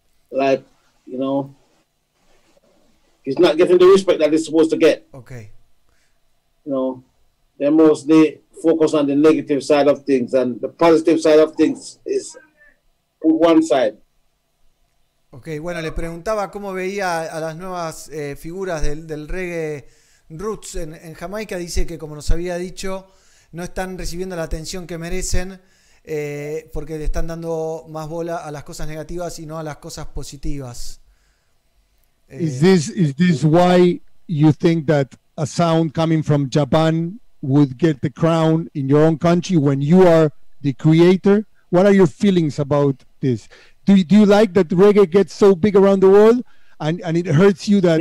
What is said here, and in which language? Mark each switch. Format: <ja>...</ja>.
<en>Like, you know. It's not getting the respect that it's supposed to get. Okay. You know, they're mostly focused on the negative side of things, and the positive side of things is one side.</en> <es>Okay, bueno, le preguntaba cómo veía a las nuevas figuras del reggae roots en Jamaica. Dice que, como nos había dicho, no están recibiendo la atención que merecen porque le están dando más bola a las cosas negativas y no a las cosas positivas.</es> <en>Is this why you think that a sound coming from Japan would get the crown in your own country when you are the creator? What are your feelings about this? Do you like that reggae gets so big around the world and it hurts you that</en>